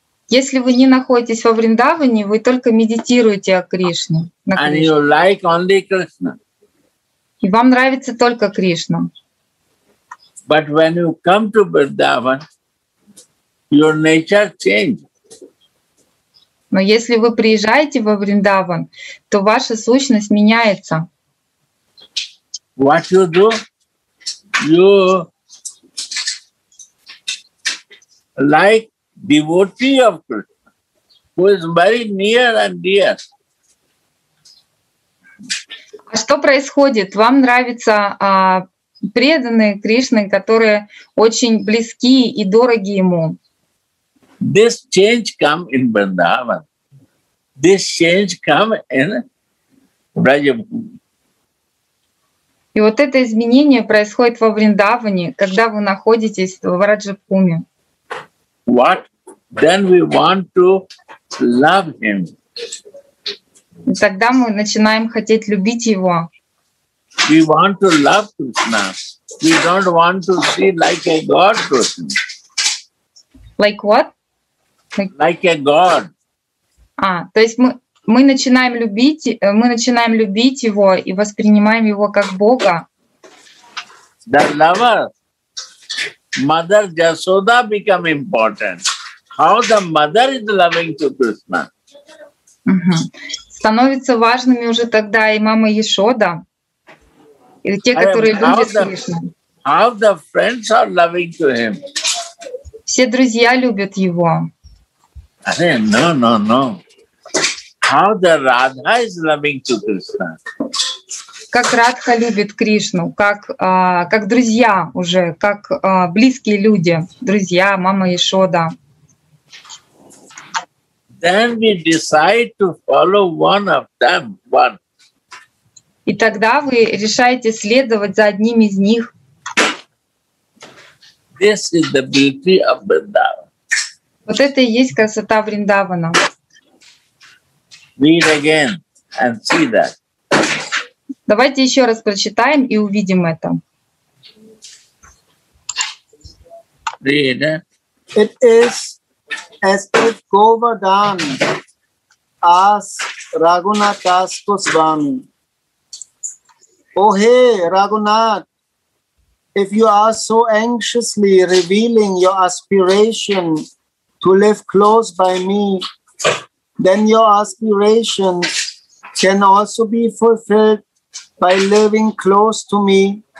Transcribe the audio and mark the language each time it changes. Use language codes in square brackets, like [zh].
[ru] Если вы не находитесь во Вриндаване, вы только медитируете о Кришне. [en] And you like only Krishna. [ru] И вам нравится только Кришна. [en] But when you come to Vrindavan, your nature changes. [ru] Но если вы приезжаете во Вриндаван, то ваша сущность меняется. [en] What you do? You like devotee of Krishna, who is very near and dear. [ru] А что происходит? Вам нравится преданные Кришны, которые очень близки и дороги ему? [en] This change come in Vrindavan. This change come in Vrajabhumi. [ru] И вот это изменение происходит во Вриндаване, когда вы находитесь в Враджабхуми. [en] What? Then we want to love him. [ru] И тогда мы начинаем хотеть любить его. [en] We want to love Krishna. We don't want to see like a god person. Like what? Like a god. [ru] А, то есть мы начинаем любить его и воспринимаем его как Бога. [en] The lover. Mother Yashoda become important. How the mother is loving to Krishna. [ru] Становится важными уже тогда и мама Яшода, и те, которые любят Кришну. [en] How the friends are loving to him. [ru] Все друзья любят его. [en] No. How the Radha is loving to Krishna. [ru] Как Радха любит Кришну, как друзья уже, как близкие люди, друзья, мама Яшода. [en] Then we decide to follow one of them, one. [ru] И тогда вы решаете следовать за одним из них. [en] This is the beauty of Vrindavan. [ru] Вот это и есть красота Вриндавана. [en] Read again and see that. [ru] Давайте еще раз прочитаем и увидим это. [en] Read. It is as if Govardhan asked Raghunath Das Goswami, "Oh, hey, Raghunath, if you are so anxiously revealing your aspiration to live close by me, then your aspirations can also be fulfilled by living close to me